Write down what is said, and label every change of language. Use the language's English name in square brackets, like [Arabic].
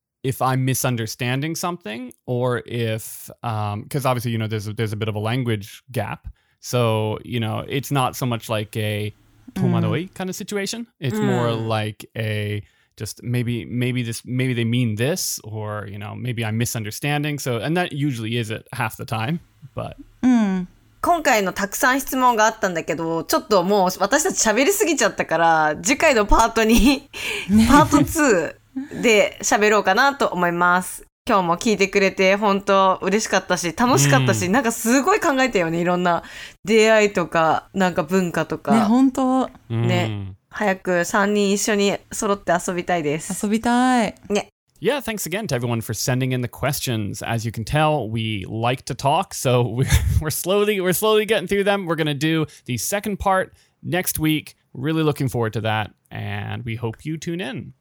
[English] if I'm misunderstanding something or if, because obviously, you know, there's a bit of a language gap. So, you know, it's not so much like a 戸惑い kind of situation. It's more like a just maybe they mean this or, you know, maybe I'm misunderstanding. So, and that usually is it half the time, but. [Japanese] 今回のたくさん質問があったんだけど、ちょっともう私たち喋りすぎちゃったから、次回のパートに、パート2。で喋ろうかなと思います。今日も聞いてくれて本当嬉しかったし楽しかったし、なんかすごい考えたよね。いろんな出会いとかなんか文化とかね本当ね早く3人一緒に揃って遊びたいです。遊びたい。ね。 [English] Yeah, thanks again to everyone for sending in the questions. As you can tell, we like to talk, so we're slowly getting through them. We're going to do the second part next week. Really looking forward to that, and we hope you tune in.